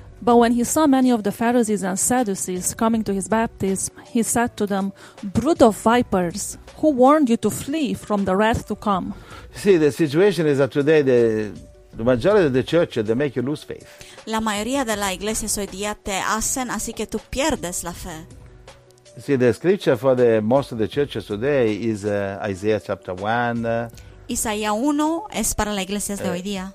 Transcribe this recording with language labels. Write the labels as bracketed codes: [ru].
[en] But when he saw many of the Pharisees and Sadducees coming to his baptism, he said to them, "Brood of vipers, who warned you to flee from the wrath to come?" See, the situation is that today the majority of the churches, they make you lose faith. [es] La mayoría de la iglesia hoy día te hacen así que tú pierdes la fe. [en] See, the scripture for the most of the churches today is Isaiah chapter 1. [es] Isaías 1 es para las iglesias de hoy día.